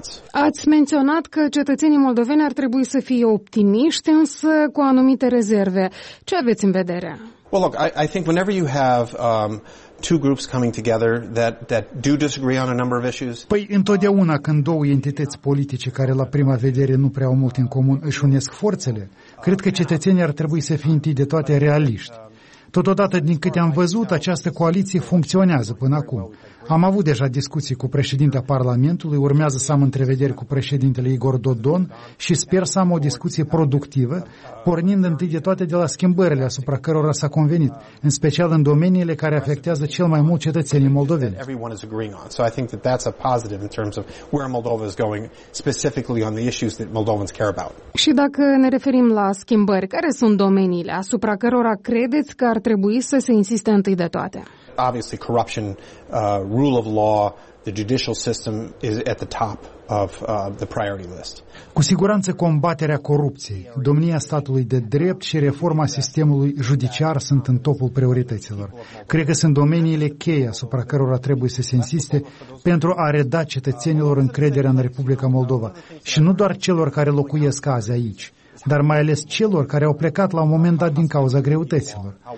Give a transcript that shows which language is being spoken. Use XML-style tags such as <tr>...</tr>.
<ro>Ați menționat că cetățenii moldoveni ar trebui să fie optimiști, însă cu anumite rezerve. Ce aveți în vedere?</ro> <en>Well, look, I think whenever you have two groups coming together that do disagree on a number of issues.</en> <ro>Păi, întotdeauna când două entități politice care la prima vedere nu prea au mult în comun își unesc forțele, cred că cetățenii ar trebui să fie întâi de toate realiști. Totodată, din câte am văzut, această coaliție funcționează până acum. Am avut deja discuții cu președintele Parlamentului, urmează să am întrevederi cu președintele Igor Dodon și sper să am o discuție productivă, pornind întâi de toate de la schimbările asupra cărora s-a convenit, în special în domeniile care afectează cel mai mult cetățenii moldoveni.</ro> <en>Everyone is agreeing on. So I think that that's a positive in terms of where Moldova is going specifically on the issues that Moldovans care about.</en> <ro>Și dacă ne referim la schimbări, care sunt domeniile asupra cărora credeți că ar trebui să se insiste întâi de toate?</ro> <en>Obviously corruption, rule of law, the judicial system is at the top of the priority list.</en> <ro>Cu siguranță combaterea corupției, domnia statului de drept și reforma sistemului judiciar sunt în topul priorităților. Cred că sunt domeniile cheie asupra cărora trebuie să se insiste pentru a reda cetățenilor încrederea în Republica Moldova și nu doar celor care locuiesc azi aici, dar mai ales celor care au plecat la un moment dat din cauza greutăților.</ro>